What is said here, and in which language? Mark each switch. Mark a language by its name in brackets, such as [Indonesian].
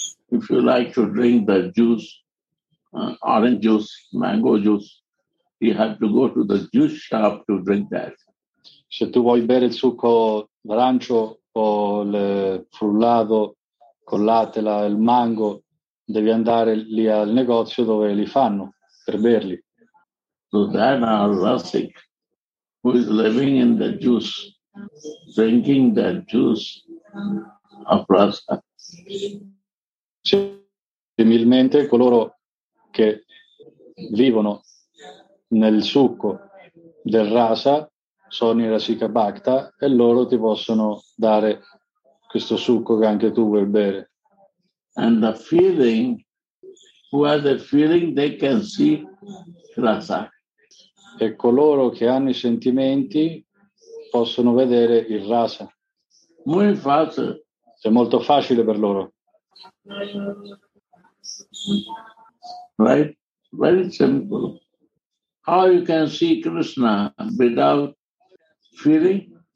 [English] If you like to drink the juice, orange juice, mango juice, you have to go to the juice shop to drink that. [Italian] Se tu vuoi bere il succo d'arancio o il frullato con latte, il mango, devi andare lì al negozio dove li fanno per berli. [English] So then our rasik, who is living in the juice, drinking the juice of rasa. [Italian] Similmente coloro che vivono nel succo del rasa sono i rasika bhakta e loro ti possono dare questo succo che anche tu vuoi bere. [English] And the feeling, who has the feeling, they can see rasa. [Italian] E coloro che hanno i sentimenti possono vedere il rasa. Molto facile. È molto facile per loro. [English] Right? Very simple. How you can see Krishna without feeling?